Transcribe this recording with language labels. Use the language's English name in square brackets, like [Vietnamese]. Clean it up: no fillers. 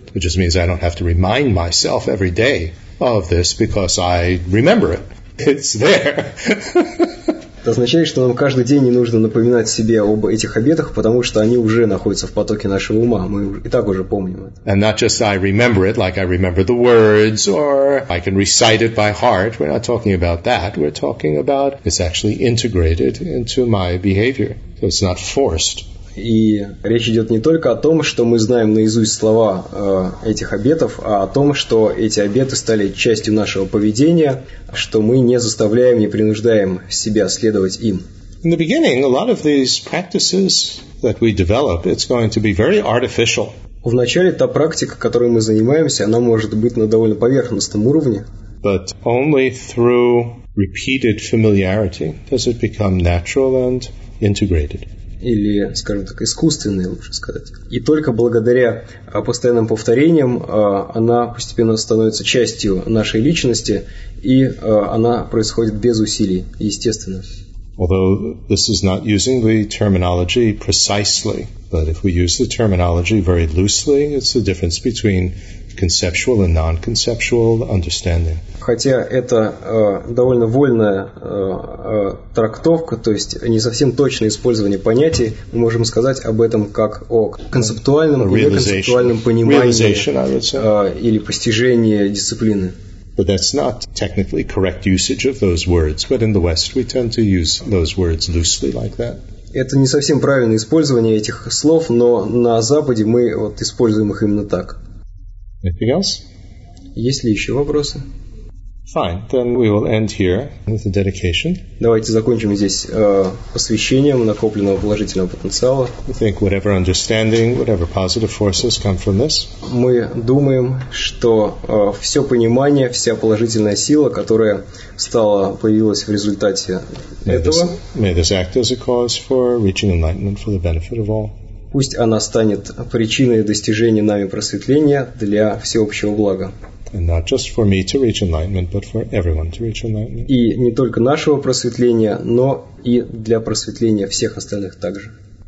[English] It just means I don't have to remind myself every day of this because I remember it. It's there. [Russian] Это означает, что нам каждый день не нужно напоминать себе об этих обетах, потому что они уже находятся в потоке нашего ума. Мы и так уже помним это. [English] And not just I remember it, like I remember the words, or I can recite it by heart. We're not talking about that. We're talking about it's actually integrated into my behavior. So it's not forced. [Russian] И речь идет не только о том, что мы знаем наизусть слова этих обетов, а о том, что эти обеты стали частью нашего поведения, что мы не заставляем, не принуждаем себя следовать им. [English] In the beginning, a lot of these practices that we develop, it's going to be very artificial. [Russian] Вначале та практика, которой мы занимаемся, она может быть на довольно поверхностном уровне. [English] But only through repeated familiarity does it become natural and integrated. [Russian] Или, скажем так, искусственные, лучше сказать. И только благодаря постоянным повторениям она постепенно становится частью нашей личности, и она происходит без усилий, естественно. [English] Although this is not using the terminology precisely, but if we use the terminology very loosely, it's the difference between conceptual and non-conceptual understanding. [Russian] Хотя это довольно вольная трактовка, то есть не совсем точное использование понятий, мы можем сказать об этом как о концептуальном или концептуальном понимании или постижении дисциплины. [English] But that's not technically correct usage of those words, but in the West we tend to use those words loosely like that. [Russian] это не совсем правильное использование этих слов, но на Западе мы вот используем их именно так. [English] Anything else? [Russian] Есть ли еще вопросы? [English] Fine, then we will end here with the dedication. [Russian] Давайте закончим здесь посвящением накопленного положительного потенциала. [English] We think whatever understanding, whatever positive forces come from this. [Russian] Мы думаем, что все понимание, вся положительная сила, которая стала появилась в результате этого. [English] May this act as a cause for reaching enlightenment for the benefit of all. [Russian] Пусть она станет причиной достижения нами просветления для всеобщего блага. [English] And not just for me to reach enlightenment, but for everyone to reach enlightenment. [Russian] И не только нашего просветления, но и для просветления всех остальных также.